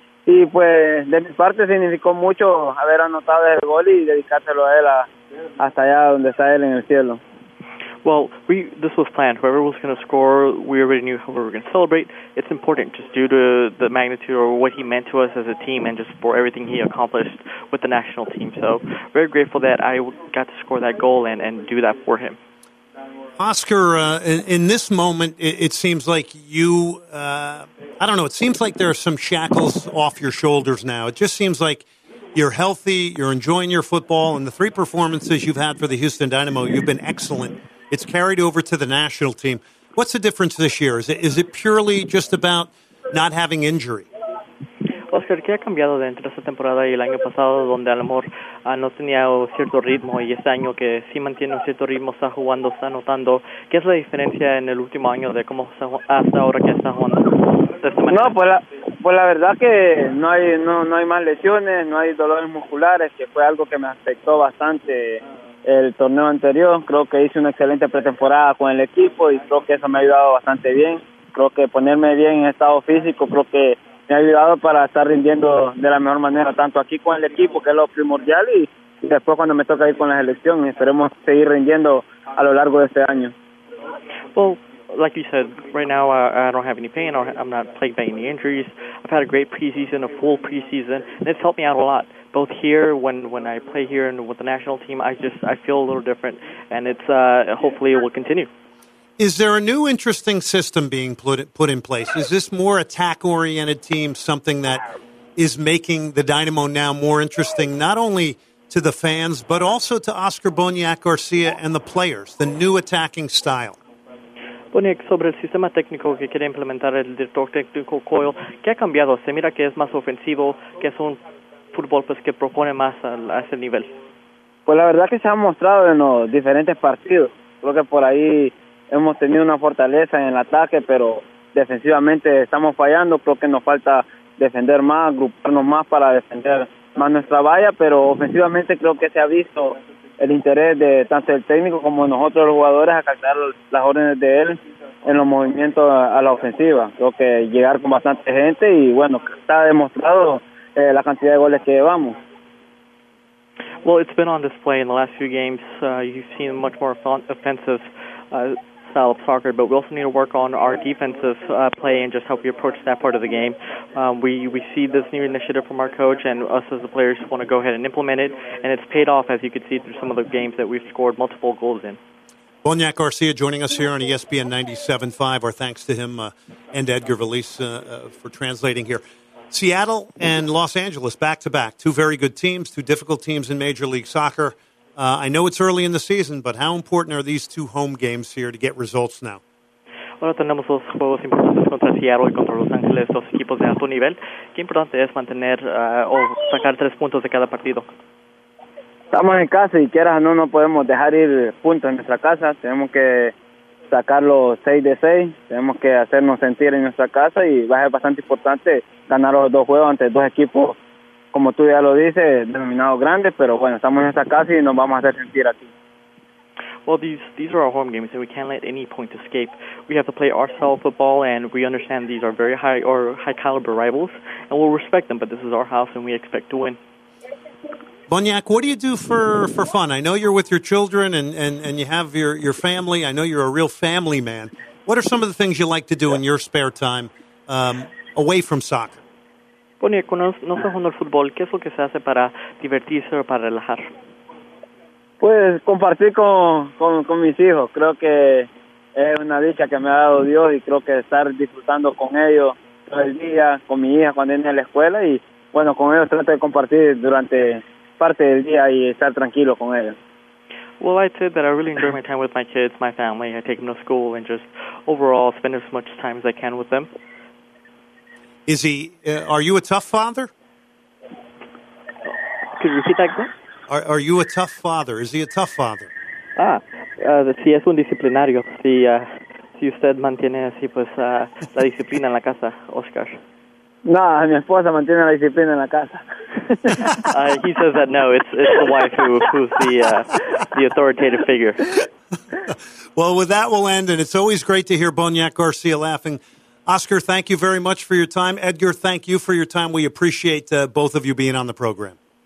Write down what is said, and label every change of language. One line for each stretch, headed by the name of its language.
Spanish: Y pues de mi parte significó mucho haber anotado el gol y dedicárselo a él hasta allá donde está él en el cielo.
English: Well, this was planned. Whoever was going to score, we already knew how we were going to celebrate. It's important just due to the magnitude or what he meant to us as a team and just for everything he accomplished with the national team. So very grateful that I got to score that goal and do that for him. Oscar, in this moment, it seems like it seems like there are some shackles off your shoulders now. It just seems like you're healthy, you're enjoying your football, and the three performances you've had for the Houston Dynamo, you've been excellent. It's carried over to the national team. What's the difference this year? Is it purely just about not having injury?
Spanish: Oscar, ¿qué ha cambiado dentro de esta temporada y el año pasado, donde a lo mejor no tenía cierto ritmo, y este año que sí mantiene un cierto ritmo, está jugando, está anotando? ¿Qué es la diferencia en el último año de cómo hasta ahora que está jugando? No, pues la verdad que no hay más lesiones, no hay dolores musculares, que fue algo que me afectó bastante el torneo anterior. Creo que hice una excelente pretemporada con el equipo y creo que eso me ha ayudado bastante bien. Creo que ponerme bien en estado físico, creo que me ha ayudado para estar rindiendo de la mejor manera, tanto aquí con el equipo, que es lo primordial, y después cuando me toca ir con la selección. Esperemos seguir rindiendo a lo largo de este año.
English: Well, like you said, right now I don't have any pain. I'm not plagued by any injuries. I've had a great preseason, a full preseason, and it's helped me out a lot. Both here, when I play here and with the national team, I feel a little different, and it's hopefully it will continue. Is there a new interesting system being put in place? Is this more attack-oriented team, something that is making the Dynamo now more interesting, not only to the fans, but also to Oscar Boniac Garcia and the players, the new attacking style.
Spanish: Boniac, sobre el sistema técnico que quiere implementar el director técnico Coyle, ¿qué ha cambiado? Se mira que es más ofensivo, que es un fútbol pues, que propone más a ese nivel. Pues la verdad que se ha mostrado en los diferentes partidos. Creo que por ahí hemos tenido una fortaleza en el ataque, pero defensivamente estamos fallando. Creo que nos falta defender más, agruparnos más para defender más nuestra valla, pero ofensivamente creo que se ha visto el interés de tanto el técnico como nosotros los jugadores a captar las órdenes de él en los movimientos a la ofensiva. Creo que llegar con bastante gente y bueno, está demostrado la cantidad de goles que llevamos.
English: Well, it's been on display in the last few games. You've seen a much more offensive style of soccer, but we also need to work on our defensive play and just how we approach that part of the game. We see this new initiative from our coach, and us as the players want to go ahead and implement it, and it's paid off, as you can see, through some of the games that we've scored multiple goals in. Boniac Garcia joining us here on ESPN 97.5. Our thanks to him and Edgar Valise for translating here. Seattle and Los Angeles, back-to-back, two very good teams, two difficult teams in Major League Soccer. I know it's early in the season, but how important are these two home games here to get results now?
Spanish: Bueno, tenemos dos juegos importantes contra Seattle y contra Los Ángeles, dos equipos de alto nivel. ¿Qué importante es mantener o sacar tres puntos de cada partido? Estamos en casa y quieras o no, no podemos dejar ir puntos en nuestra casa. Tenemos que sacar los 6-6, tenemos que hacernos sentir en nuestra casa y va a ser bastante importante ganar los dos juegos ante dos equipos, como tú ya lo dices, denominados grandes, pero bueno, estamos en esta casa y nos vamos a hacer sentir aquí.
English: Well, these are our home games, and we can't let any point escape. We have to play our style of football, and we understand these are very high-caliber rivals, and we'll respect them, but this is our house, and we expect to win. Boniac, what do you do for fun? I know you're with your children, and you have your family. I know you're a real family man. What are some of the things you like to do in your spare time? Away from soccer.
Spanish: Bueno, cuando no estás jugando al fútbol, ¿qué es lo que se hace para divertirse o para relajar? Pues compartir con mis hijos. Creo que es una dicha que me ha dado Dios y creo que estar disfrutando con ellos todo el día, con mi hija cuando viene a la escuela y bueno, con ellos trato de compartir durante parte del día y estar tranquilo con ellos.
English: Well, I'd say that I really enjoy my time with my kids, my family. I take them to school and just overall spend as much time as I can with them. Is he? Are you a tough father? Could you repeat that again? Are you a tough father? Is he a tough father?
Spanish: Ah, si es un disciplinario. Si usted mantiene así pues la disciplina en la casa, Oscar. No, mi esposa mantiene la disciplina en la casa.
English: He says that no, it's the wife who's the authoritative figure. Well, with that we'll end, and it's always great to hear Boniac Garcia laughing. Oscar, thank you very much for your time. Edgar, thank you for your time. We appreciate both of you being on the program.